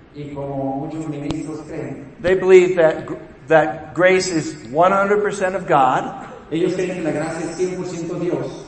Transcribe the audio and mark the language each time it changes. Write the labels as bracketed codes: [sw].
[es] y como muchos ministros creen, [en] they believe that grace is 100% of God, [es] ellos creen que la gracia es 100% Dios,